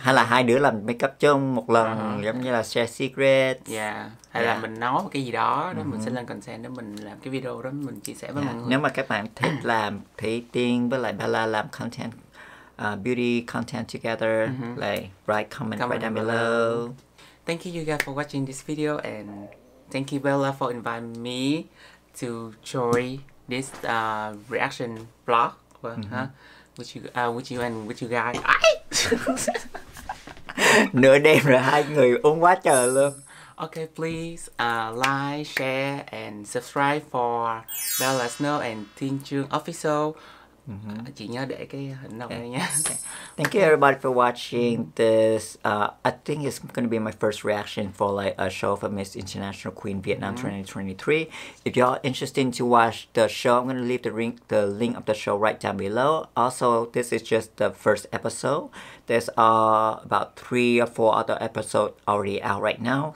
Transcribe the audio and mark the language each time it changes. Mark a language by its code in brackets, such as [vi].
[vi] Hay là hai đứa làm make up chung một lần, giống như là [en] share secret. [vi] Hay là mình nói một cái gì đó, đó mình sẽ lên consent để mình làm cái video đó mình chia sẻ với mọi người. Nếu mà các bạn thích làm thì Tiên với lại Bella làm content, [en] beauty content together, like write comment right down below. Thank you guys for watching this video and thank you Bella for inviting me to join this reaction vlog with you guys. [vi] Nửa đêm rồi hai người uống quá trời luôn. [en] Okay, please like, share and subscribe for Bella Snow and Tin Chương Official. [vi] Chị nhớ để cái hình đồng này nha. [en] Thank you everybody for watching this. I think it's gonna be my first reaction for like a show for Miss International Queen Vietnam 2023. If y'all interested to watch the show, I'm gonna leave the link of the show right down below. Also, this is just the first episode. There's about 3 or 4 other episodes already out right now.